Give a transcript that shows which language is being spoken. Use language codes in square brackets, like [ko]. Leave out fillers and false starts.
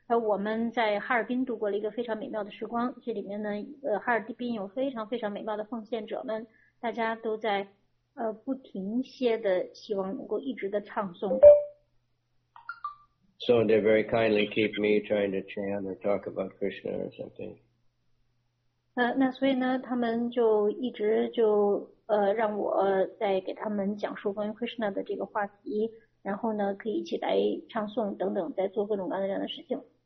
[zh] 我们在哈尔滨度过了一个非常美妙的时光，这里面呢哈尔滨有非常非常美妙的奉献者们，大家都在不停歇的希望能够一直的唱诵着。 [en] So they very kindly keep me trying to chant or talk about Krishna or something. [zh] 那所以呢，他们就一直就让我在给他们讲述关于 Krishna 的这个话题，然后呢可以一起来唱诵等等，在做各种各样的这样的事情。